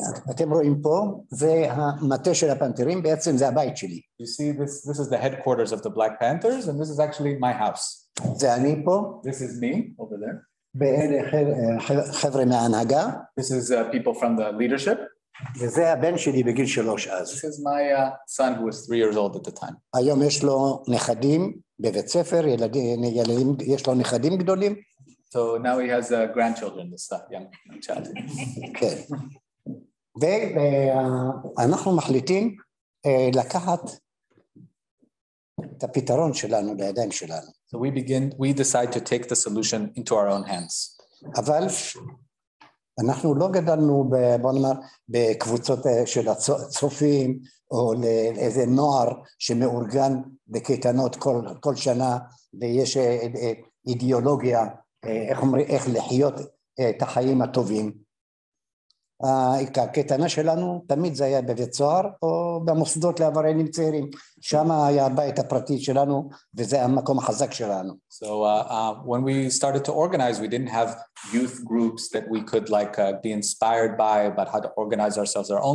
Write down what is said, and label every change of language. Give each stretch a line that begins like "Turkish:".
Hebrew: אתם רואים פה, זה המטה של הפנתרים, בעצם זה הבית שלי.
English: You see, this is the headquarters of the Black Panthers, and this is actually my house.
Hebrew: זה אני פה.
English: This is me, over there.
Hebrew: ואלה חבר'ה מההנהגה.
English: This is people from the leadership.
Hebrew: וזה הבן שלי בגיל 3 אז.
English: This is my son who was 3 years old at the time.
Hebrew: היום יש לו נכדים בבית ספר, ילדים, יש לו נכדים גדולים.
English: So now he has grandchildren, this young child.
Hebrew: כן. ואנחנו מחליטים לקחת את הפתרון שלנו לידיים שלנו.
English: So we decide to take the solution into our own hands.
Hebrew: אבל אנחנו לא גדלנו בקבוצות של הצופים או לאיזה נוער שמאורגן בקטנות כל שנה ויש אידיאולוגיה איך אומרים, איך לחיות את החיים הטובים. הקטנה שלנו תמיד זה היה בבית סוהר או במוסדות לעבריינים צעירים. שם היה הבית הפרטי שלנו וזה המקום החזק שלנו.
English: So when we started to organize, we didn't have youth groups that we could like be inspired by about how to organize ourselves.